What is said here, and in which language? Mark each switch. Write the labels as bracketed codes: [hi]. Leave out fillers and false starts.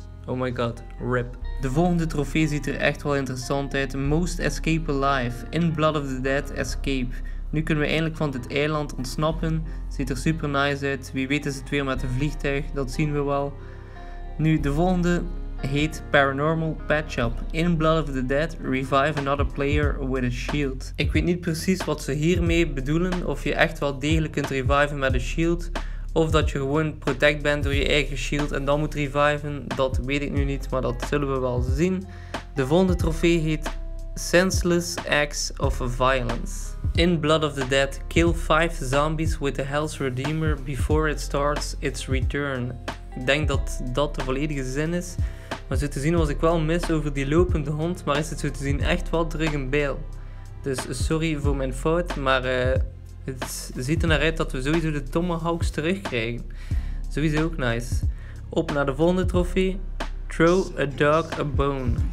[en] Oh my god, rip. [nl] De volgende trofee ziet er echt wel interessant uit. [en] Most Escape Alive. In Blood of the Dead, escape. [nl] Nu kunnen we eindelijk van dit eiland ontsnappen. Ziet er super nice uit. Wie weet is het weer met een vliegtuig. Dat zien we wel. Nu, de volgende heet Paranormal Patch-Up. [en] In Blood of the Dead, revive another player with a shield. [nl] Ik weet niet precies wat ze hiermee bedoelen. Of je echt wel degelijk kunt reviven met een shield. Of dat je gewoon protect bent door je eigen shield en dan moet reviven. Dat weet ik nu niet, maar dat zullen we wel zien. De volgende trofee heet [en] Senseless Acts of Violence. In Blood of the Dead, kill 5 zombies with the Hell's Redeemer before it starts its return. [nl] Ik denk dat dat de volledige zin is. Maar zo te zien was ik wel mis over die lopende hond, maar is het zo te zien echt wel terug in beeld. Dus sorry voor mijn fout, maar het ziet er naar uit dat we sowieso de Tomahawks terugkrijgen. Sowieso ook nice. Op naar de volgende trofee. Throw a dog a bone.